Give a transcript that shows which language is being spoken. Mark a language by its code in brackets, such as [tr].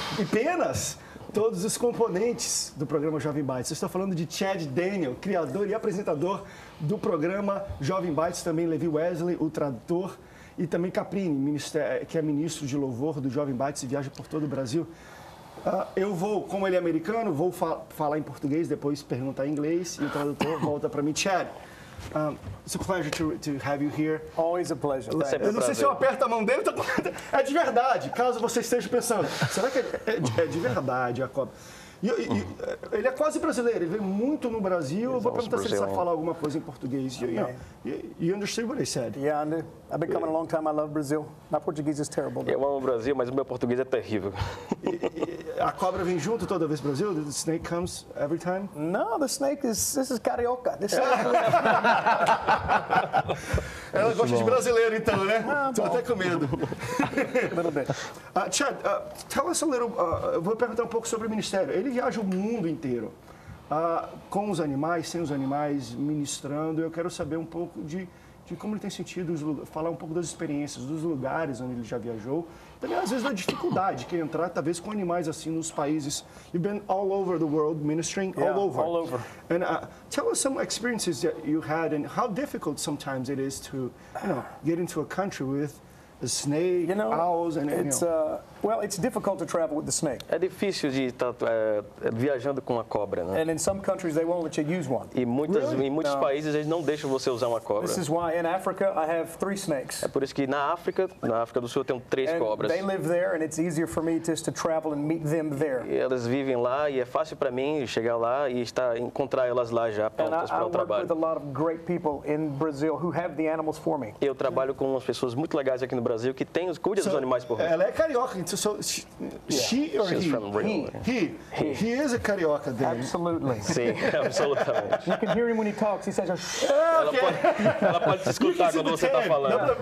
[pt] E penas, todos os componentes do programa Jovem Bites. Eu estou falando de Chad Daniel, criador e apresentador do programa Jovem Bites, também Levi Wesley, o tradutor. E também Caprini, que é ministro de louvor do Jovem Bates e viaja por todo o Brasil. Eu vou, como ele é americano, vou falar em português, depois perguntar em inglês e o tradutor volta para mim. [en] Chad, it's a pleasure to have you here. Always a pleasure. [pt] Eu não sei se eu aperto a mão dele, é de verdade, caso você esteja pensando. Será que é de verdade, Jacob? Ele é quase brasileiro, ele veio muito no Brasil. Eu vou perguntar se ele sabe falar alguma coisa em português. [en] You understand what I said? Yeah, Andy. I've been coming a long time. I love Brazil. My Portuguese is terrible. [pt] Eu amo o Brasil, mas o meu português é terrível. A cobra vem junto toda vez no Brasil? [en] The snake comes every time? No, the snake is... This is carioca. [pt] Ela gosta de brasileiro, então, né? Estou até com medo. [en] Chad, tell us a little... [pt] Eu vou perguntar um pouco sobre o ministério. Ele viaja o mundo inteiro, com os animais, sem os animais, ministrando. Eu quero saber um pouco de como ele tem sentido, falar um pouco das experiências, dos lugares onde ele já viajou. Também, às vezes, da dificuldade que entrar, talvez, com animais assim nos países. [en] You've been all over the world ministering, yeah, all over. And tell us some experiences that you had and how difficult sometimes it is to, you know, get into a country with the snake, you know, owls, and it's well, it's difficult to travel with the snake. [pt] É difícil de estar viajando com uma cobra, né? [en] And in some countries they won't let you use one. [pt] E muitas, really? Em muitos países eles não deixam você usar uma cobra. [en] This is why in Africa I have three snakes. [pt] É por isso que na África do Sul eu tenho três cobras. [en] And they live there, and it's easier for me just to travel and meet them there. [pt] E elas vivem lá e é fácil para mim chegar lá e encontrar elas lá já prontas para o trabalho. [en] And I work with a lot of great people in Brazil who have the animals for me. [pt] Eu trabalho com umas pessoas muito legais aqui no Brasil que têm os cuidados dos animais por mim. Ela é carioca. [en] So she is a carioca then. Absolutely. [pt] Sim, absolutamente. [en] You can hear him when he talks. He says, okay. [pt] Ela pode te escutar quando você está falando.